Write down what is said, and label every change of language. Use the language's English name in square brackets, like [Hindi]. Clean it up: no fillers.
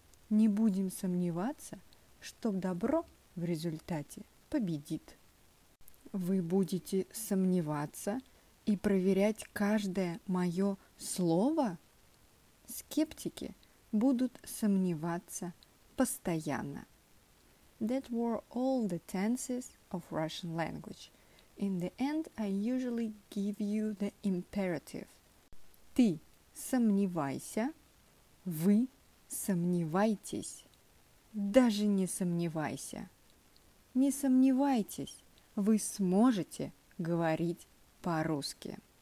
[Russian] Не будем сомневаться, что добро в результате победит. Вы будете сомневаться и проверять каждое мое слово? Скептики будут сомневаться постоянно. [English] That were all the tenses of Russian language. In the end, I usually give you the imperative. [Russian] Ты сомневайся, вы сомневайтесь. Даже не сомневайся. Не сомневайтесь, вы сможете говорить по-русски.